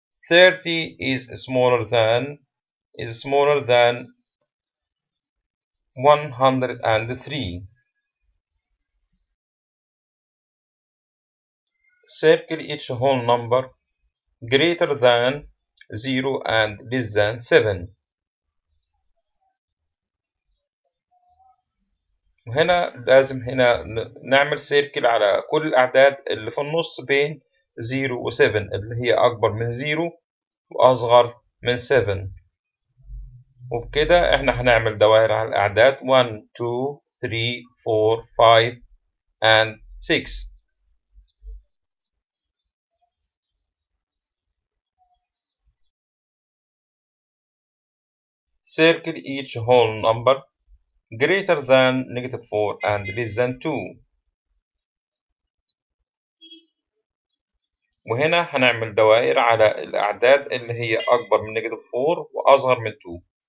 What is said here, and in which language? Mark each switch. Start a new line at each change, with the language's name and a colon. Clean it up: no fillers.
English: 30 is smaller than 103. Circle each whole number greater than 0 and less than 7.
Arabic: وهنا لازم هنا نعمل سيركل على كل الأعداد اللي في النص بين 0 و 7، اللي هي أكبر من 0 وأصغر من 7. وبكده احنا هنعمل دوائر على الأعداد 1 2 3 4 5 and 6.
English: Circle each whole number greater than negative 4 and less than 2.
Arabic: وهنا هنعمل دوائر على الأعداد اللي هي أكبر من negative 4 وأصغر من 2.